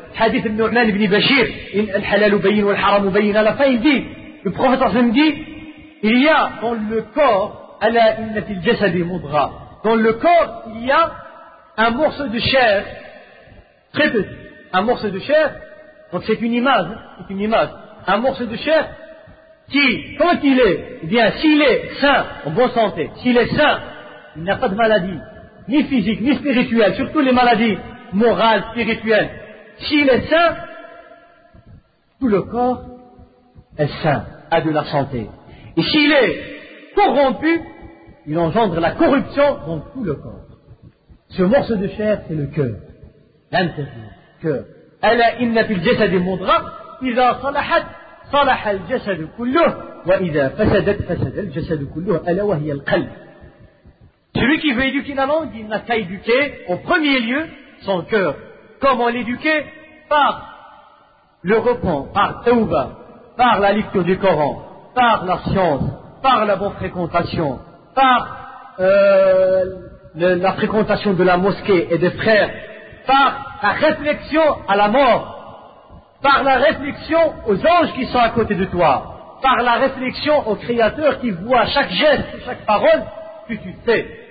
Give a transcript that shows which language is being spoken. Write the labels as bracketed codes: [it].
[fr] hadith de Nurman ibn Bashir, [ar] in al halal bayin wal haram bayin, [fr] à la fin il dit, le prophète Hassan dit, il y a dans le corps, [ar] ala inna fil jasadi mudgha, [fr] dans le corps, il y a un morceau de chair, très petit, un morceau de chair, donc c'est une image, c'est une image, un morceau de chair, qui, quand il est, eh bien, s'il est sain, en bonne santé, s'il est sain, il n'a pas de maladie, ni physique, ni spirituelle, surtout les maladies morales, spirituelles. S'il est sain, tout le corps est sain, a de la santé. Et s'il est corrompu, il engendre la corruption dans tout le corps. Ce morceau de chair, c'est le cœur. L'intérieur. Cœur. [ar] Ala inna fil jasadi mudgha, idha salahat, صلح الجسد كله وإذا فسدت فسد الجسد كله ألا وهي القلب. [fr] Celui qui veut éduquer la langue, il n'a qu'à éduquer en premier lieu son cœur. Comment l'éduquer? Par le repos, par Tawba, par la lecture du Coran, par la science, par la bonne fréquentation, par la fréquentation de la mosquée et des frères, par la réflexion à la mort, par la réflexion aux anges qui sont à côté de toi, par la réflexion au Créateur qui voit chaque geste, chaque parole que tu fais.